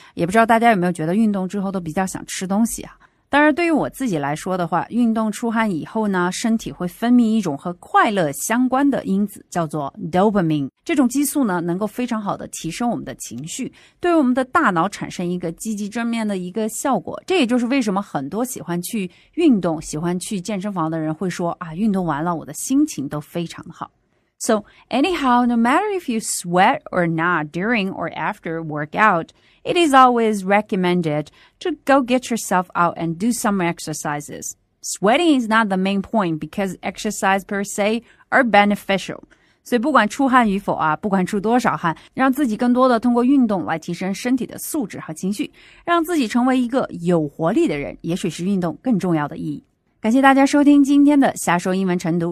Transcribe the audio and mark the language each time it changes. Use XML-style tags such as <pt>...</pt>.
<zh>也不知道大家有没有觉得运动之后都比较想吃东西啊？当然对于我自己来说的话，运动出汗以后呢，身体会分泌一种和快乐相关的因子，叫做 dopamine。这种激素呢能够非常好的提升我们的情绪，对我们的大脑产生一个积极正面的一个效果。这也就是为什么很多喜欢去运动喜欢去健身房的人会说啊，运动完了我的心情都非常好。</zh> <en>So anyhow, no matter if you sweat or not during or after workoutIt is always recommended to go get yourself out and do some exercises. Sweating is not the main point because exercise per se are beneficial.</en> <zh>所以不管出汗与否啊，不管出多少汗，让自己更多的通过运动来提升身体的素质和情绪，让自己成为一个有活力的人，也许是运动更重要的意义。感谢大家收听今天的瞎说英文晨读。</zh>